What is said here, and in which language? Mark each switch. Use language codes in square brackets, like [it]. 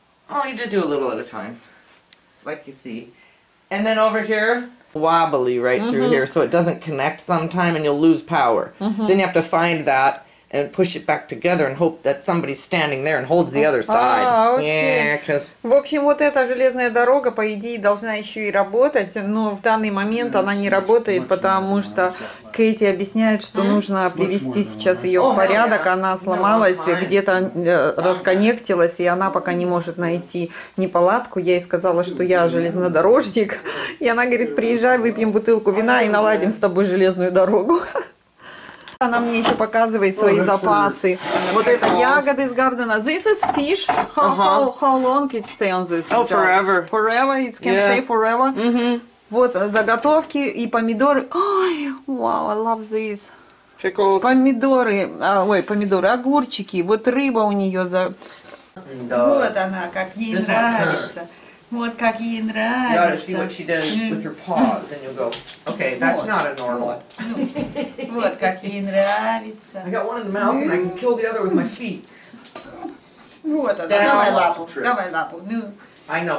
[en] Oh, you just do a little at a time, like you see. And then over here, wobbly right mm-hmm. through here, so it doesn't connect sometime and you'll lose power. Mm-hmm. Then you have to find that and push it back together and hope that somebody's standing there and holds the other side. Okay. Yeah, because... [ru] В общем, вот эта железная дорога, по идее, должна еще и работать, но в данный момент она не работает, потому что Кэти объясняет, что нужно привести сейчас ее в порядок. Она сломалась, где-то расконнектилась, и она пока не может найти неполадку. Я ей сказала, что я железнодорожник. И она говорит, приезжай, выпьем бутылку вина и наладим с тобой железную дорогу. Она мне еще показывает свои запасы. Вот это ягоды из гардена. [en] This is fish. How long it stays on this? Oh, jar? Forever. Forever? It can stay forever? Mm-hmm. [ru] Вот заготовки и помидоры. [en] Ой, wow, I love this. Pickles. [ru] Помидоры. Помидоры. Огурчики. Вот рыба у нее за... Вот она, как ей [en] this [ru] нравится. Вот как ей нравится.